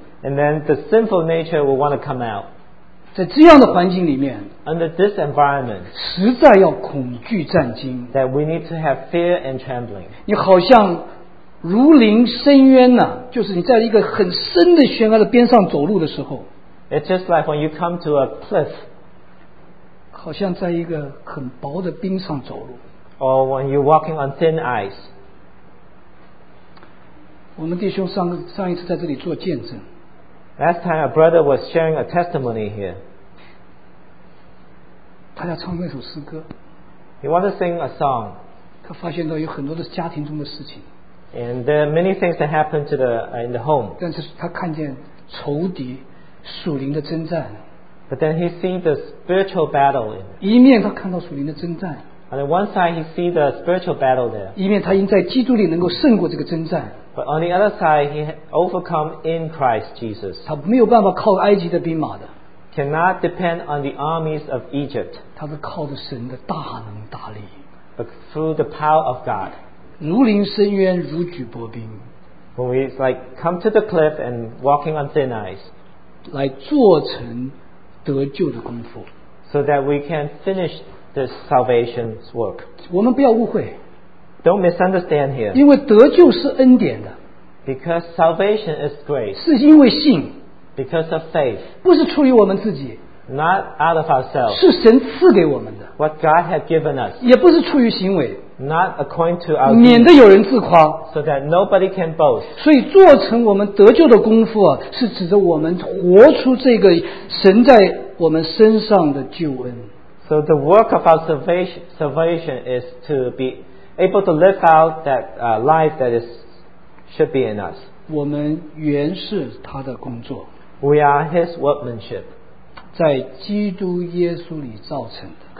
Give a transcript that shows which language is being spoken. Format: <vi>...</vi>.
<en>And then the sinful nature will want to come out.</en> <zh>在这样的环境里面,</zh> <en>under this environment,</en> <zh>实在要恐惧战惊,</zh> <en>that we need to have fear and trembling.</en> <zh>你好像 如临深渊呢, 就是你在一个很深的悬崖的边上走路的时候,</zh> <en>it's just like when you come to a cliff,</en> <zh>好像在一个很薄的冰上走路,</zh> <en>or when you're walking on thin ice.</en> <zh>我们弟兄上一次在这里做见证,</zh> <en>last time a brother was sharing a testimony here.</en> <zh>他要唱那首诗歌,</zh> <en>he wanted to sing a song.</en> <zh>他发现到有很多的家庭中的事情,</zh> <en>And there are many things that happen to the in the home.</en> <zh>但是他看见仇敌, 属灵的征战,</zh> <en>but then he sees the spiritual battle in it.</en> <zh>一面他看到属灵的征战,</zh> <en>on the one side, he sees the spiritual battle there.</en> <zh>一面他因在基督里能够胜过这个征战,</zh> <en>but on the other side, he overcome in Christ Jesus.</en> <zh>他没有办法靠埃及的兵马的,</zh> <en>cannot depend on the armies of Egypt.</en> <zh>他是靠着神的大能大力,</zh> <en>but through the power of God.</en> <zh>如临深渊如举薄冰,</zh> <en>when we like come to the cliff and walking on thin ice,</en> <zh>来做成得救的功夫,</zh> <en>so that we can finish this salvation's work.</en> <zh>我们不要误会,</zh> <en>don't misunderstand here.</en> <zh>因为得救是恩典的,</zh> <en>because salvation is grace.</en> <zh>是因为信,</zh> <en>because of faith.</en> <zh>不是出于我们自己,</zh> <en>not out of ourselves.</en> <zh>是神赐给我们的,</zh> <en>what God had given us.</en> <zh>也不是出于行为,</zh> <en>not according to our deeds, so that nobody can boast.</en> <zh>所以做成我们得救的功夫啊, 是指着我们活出这个神在我们身上的救恩。</zh> <en>So the work of our salvation is to be able to live out that life that is should be in us.</en> <zh>我们原是他的工作,</zh> <en>we are his workmanship,</en> <zh>在基督耶稣里造成的,</zh>